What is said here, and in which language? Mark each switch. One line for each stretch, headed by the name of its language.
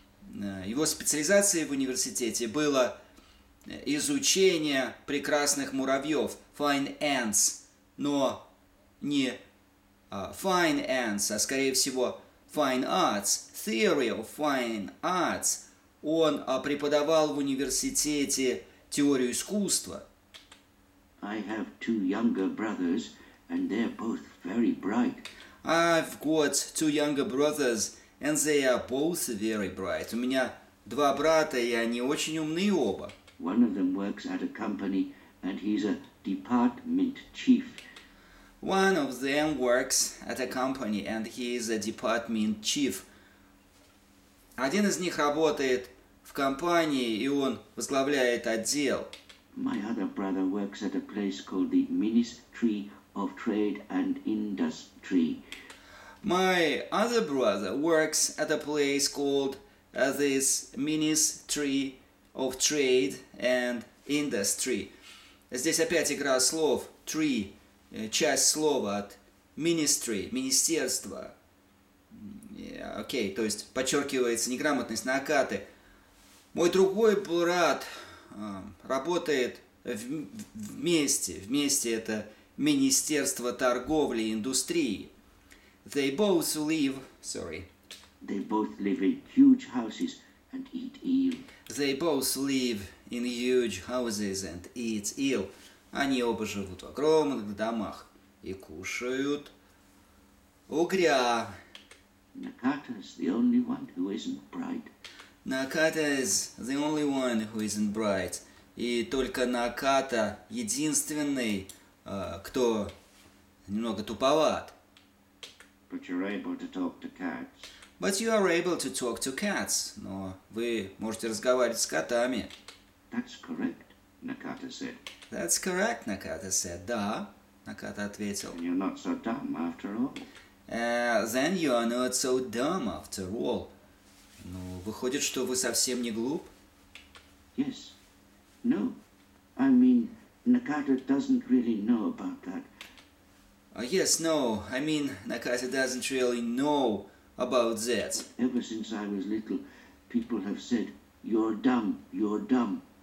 Russian: Его специализацией в университете было изучение прекрасных муравьев, fine ants, но не fine ants, а скорее всего fine arts,
English: theory of fine arts.
Russian: Он преподавал в университете теорию искусства.
English: I have two younger brothers, and they're both very bright. I've got two younger brothers, and they are both very bright.
Russian: У меня два брата, и они очень умные оба.
English: One of them works at a company, and he's a department chief. One of them works at a company, and he is a department chief.
Russian: Один из них работает в компании, и он возглавляет отдел.
English: My other brother works at a place called the Ministry of Trade and Industry. My other brother works at a place called this Ministry of Trade and Industry.
Russian: Здесь опять игра слов tree, часть слова от ministry, министерство. Окей, то есть подчеркивается неграмотность на акате. Мой другой брат работает вместе. Вместе это Министерство торговли и индустрии.
English: They both live in huge houses and eat ill. They both live in huge houses and eat ill.
Russian: Они оба живут в огромных домах и кушают угря.
English: Nakata's the only one who isn't bright. Наката is the only one who isn't bright.
Russian: И только Наката единственный, кто немного туповат.
English: But you're able to talk to cats. But you are able to talk to cats.
Russian: Но вы можете разговаривать с котами.
English: That's correct, Nakata said. That's correct, Nakata said.
Russian: Да, Наката ответил.
English: And you're not so dumb after all. Then you are not so dumb after all.
Russian: Ну, выходит, что вы совсем не глуп?
English: Yes. No. I mean, Nakata doesn't really know about that. Nakata doesn't really know about that. But ever since I was little, people have said, you're dumb, you're dumb.